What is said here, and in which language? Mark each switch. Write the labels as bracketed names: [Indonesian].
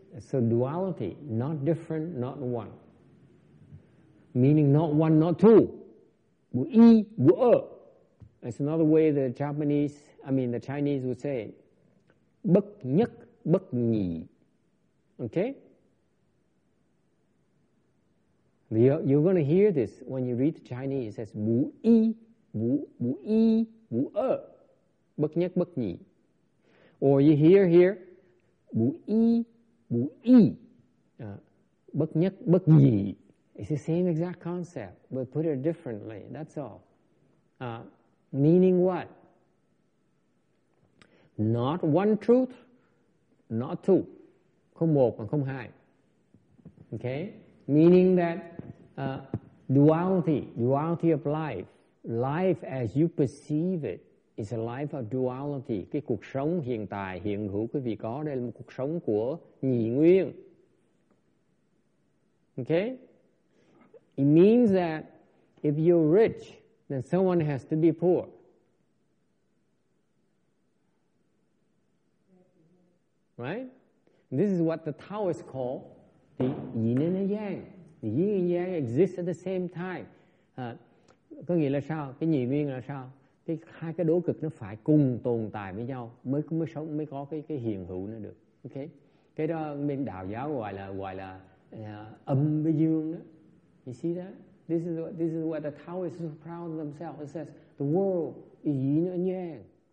[English] So duality, not different, not one, meaning not one, not two, [Chinese] wu yi, wu er. [English] It's another way the Chinese would say, [Vietnamese] bất nhất bất nhị. [English] Okay? You're going to hear this when you read the Chinese. It says, [Chinese] bù yi, bù yi, bù e, [Vietnamese] bất nhất bất nhị. [English] Or you hear here, [Chinese] bù yi, bù yi, [Vietnamese] bất nhất bất nhị. [English] It's the same exact concept, but put it differently. That's all. Meaning what? Not one truth, not two. [Vietnamese] Không một và không hai. [English] Okay? Meaning that duality of life, life as you perceive it, is a life of duality. [Vietnamese] Cái cuộc sống hiện tại, hiện hữu quý vị có, đây là một cuộc sống của nhị nguyên. [English] Okay? It means that if you're rich, then someone has to be poor. Right? This is what the Taoists call the yin and the yang. The yin and yang exist at the same time. [Vietnamese] Có nghĩa là sao? [English] Cái nhị nguyên là sao? [Vietnamese] Cái hai cái đối cực nó phải cùng tồn tại với nhau mới sống, mới có cái hiện hữu nó được. Okay? Cái đó bên đạo giáo gọi là âm với dương đó. [English] You see that? This is what the Taoists are proud of themselves. It says the world is yin and yang.